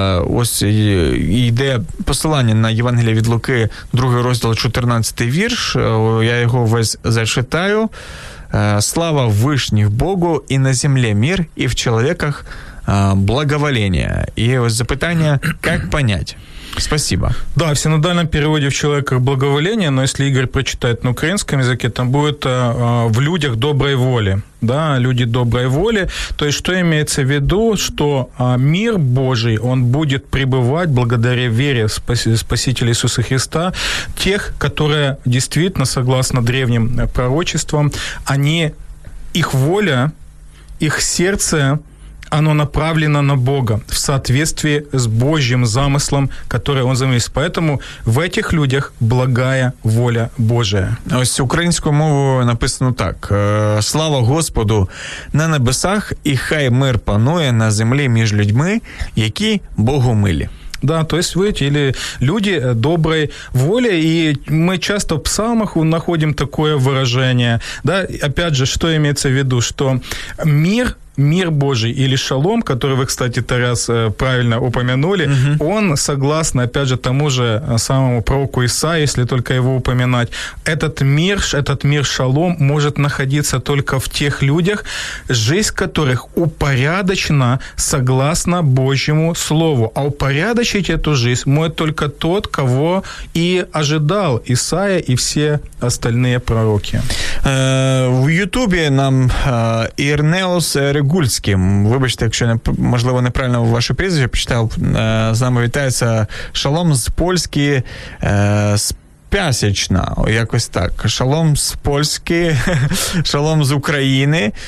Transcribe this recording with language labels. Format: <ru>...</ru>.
<uk>Ось йде посилання на Євангеліє від Луки, 2 розділ, 14 вірш. Я його весь зачитаю.</uk> <ru>«Слава Вышних Богу,</ru> <uk>і на землі мир, і в чоловіках благоволение».</uk> <ru>И запитание: как понять? Спасибо. Да, в синодальном переводе «в человеках благоволение», но если Игорь прочитает на украинском языке, там будет «в людях доброй воли». Да, люди доброй воли. То есть, что имеется в виду, что мир Божий, он будет пребывать благодаря вере в Спасителя Иисуса Христа, тех, которые действительно, согласно древним пророчествам, они, их воля, их сердце, оно направлено на Бога в соответствии с Божьим замыслом, который он замыслил. Поэтому в этих людях благая воля Божия.</ru> <uk>Ось українською мовою написано так: «Слава Господу на небесах, і хай мир панує на землі між людьми, які Богу милі».</uk> <ru>Да, то есть, видите, или люди доброй воли, и мы часто в псалмах находим такое выражение. Да, опять же, что имеется в виду? Что мир, мир Божий или шалом, который вы, кстати, Тарас, правильно упомянули, угу, он, согласно, опять же, тому же самому пророку Исаии, если только его упоминать, этот мир шалом может находиться только в тех людях, жизнь которых упорядочена согласно Божьему Слову. А упорядочить эту жизнь может только тот, кого и ожидал Исаия и все остальные пророки.</ru> <uk>В Ютубе нам Ірнеус Гульським, вибачте, якщо не, можливо, неправильно ваше прізвище прочитав, з нами вітається. Шалом з Польщі, з П'ясячна, якось так. Шалом з Польщі, шалом з України.</uk>